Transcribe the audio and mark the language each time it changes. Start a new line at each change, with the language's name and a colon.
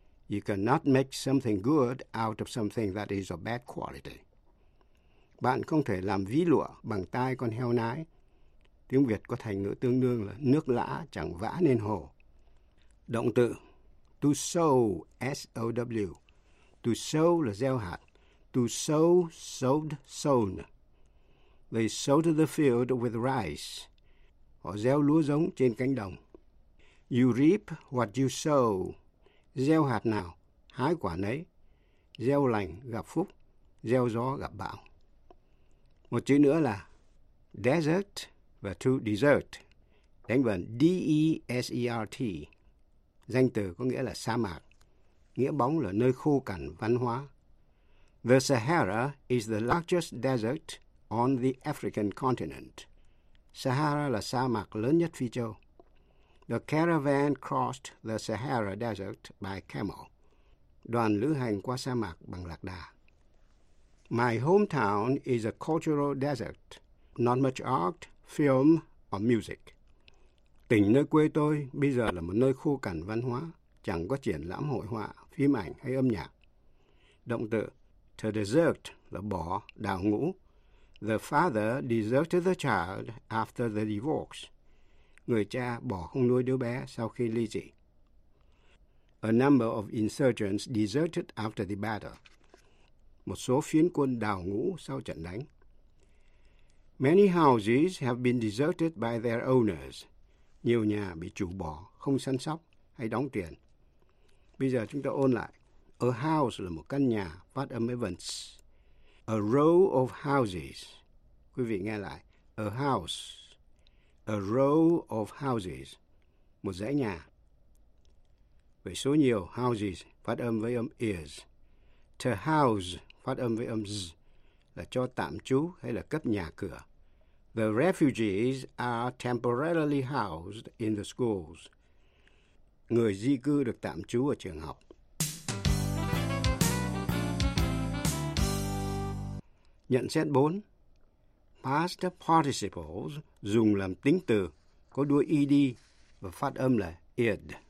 English: You cannot make something good out of something that is of bad quality.
Vietnamese: Bạn không thể làm ví lụa bằng tai con heo nái. Tiếng Việt có thành ngữ tương đương là nước lã chẳng vã nên hồ. Động từ to sow, S-O-W. To sow là gieo hạt.
English: To sow, sowed, sown. They sowed the field with rice.
Vietnamese: Họ gieo lúa giống trên cánh đồng.
English: You reap what you sow.
Vietnamese: Gieo hạt nào, hái quả nấy. Gieo lành gặp phúc, gieo gió gặp bão. Một chữ nữa là desert và to desert. Đánh vần D-E-S-E-R-T. Danh từ có nghĩa là sa mạc. Nghĩa bóng là nơi khô cằn văn hóa.
English: The Sahara is the largest desert on the African continent.
Vietnamese: Sahara là sa mạc lớn nhất phi châu.
English: The caravan crossed the Sahara Desert by camel.
Vietnamese: Đoàn lữ hành qua sa mạc bằng lạc đà.
English: My hometown is a cultural desert, not much art, film, or music.
Vietnamese: Tỉnh nơi quê tôi bây giờ là một nơi khô cằn văn hóa, chẳng có triển lãm hội họa, phim ảnh hay âm nhạc. Động từ to desert là bỏ, đào ngũ.
English: The father deserted the child after the divorce.
Vietnamese: Người cha bỏ không nuôi đứa bé sau khi ly dị.
English: A number of insurgents deserted after the battle.
Vietnamese: Một số phiến quân đào ngũ sau trận đánh.
English: Many houses have been deserted by their owners.
Vietnamese: Nhiều nhà bị chủ bỏ, không săn sóc hay đóng tiền. Bây giờ chúng ta ôn lại.
English: A house
Vietnamese: là một căn nhà, phát âm events.
English: A row of houses.
Vietnamese: Quý vị nghe lại.
English: A house. A row of houses.
Vietnamese: Một dãy nhà. Với số nhiều, houses, phát âm với âm ears. To house, phát âm với âm z, là cho tạm trú hay là cấp nhà cửa.
English: The refugees are temporarily housed in the schools.
Vietnamese: Người di cư được tạm trú ở trường học. Nhận xét 4. Past participles dùng làm tính từ, có đuôi ed và phát âm là ed.